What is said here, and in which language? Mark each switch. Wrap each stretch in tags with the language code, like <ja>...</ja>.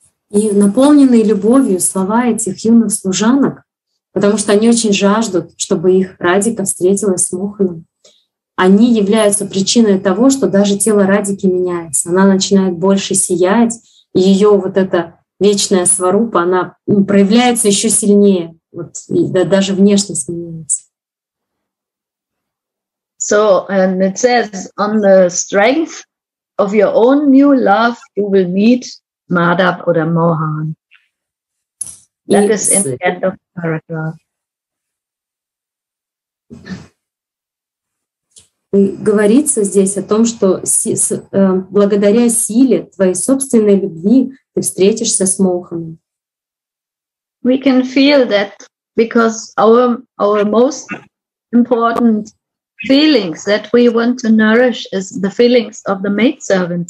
<ru>И наполненные любовью слова этих юных служанок, потому что они очень жаждут, чтобы их Радика встретилась с Моханом. Они являются причиной того, что даже тело Радики меняется. Она начинает больше сиять, и ее вот эта вечная сварупа, она проявляется еще сильнее. Вот, и даже внешность меняется.</ru> <en>So, and it says, on the strength of your own new love, you will meet Madhav or Mohan. That is in the end of the paragraph.</en> <ru>И говорится здесь о том, что благодаря силе твоей собственной любви ты встретишься с Моханом.</ru> <en>we can feel that because our most important feelings that we want to nourish is the feelings of the maidservant.</en>